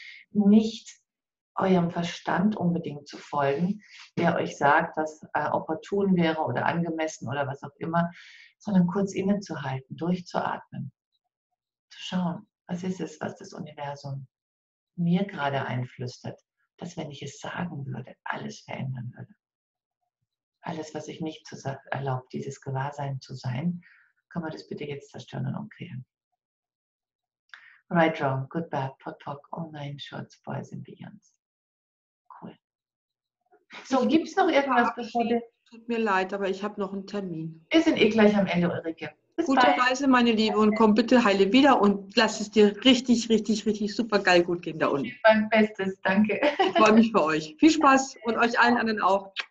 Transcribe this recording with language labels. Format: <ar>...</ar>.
<de>Nicht eurem Verstand unbedingt zu folgen, der euch sagt, was opportun wäre oder angemessen oder was auch immer, sondern kurz innezuhalten, durchzuatmen, zu schauen, was ist es, was das Universum mir gerade einflüstert, dass, wenn ich es sagen würde, alles verändern würde. Alles, was ich nicht erlaubt, dieses Gewahrsein zu sein, kann man das bitte jetzt zerstören und umkehren.</de> <en>Right, wrong, good, bad, pot, all nine shorts, boys and beyonds. Cool.</en> <de>So, gibt es noch irgendwas? Tut mir leid, aber ich habe noch einen Termin. Wir sind gleich am Ende, Ulrike. Bis gute bald. Reise, meine Liebe, und komm bitte heile wieder und lass es dir richtig, richtig, richtig super geil gut gehen da unten. Mein Bestes, danke. Ich freue mich für euch. Viel Spaß und euch allen anderen auch.</de>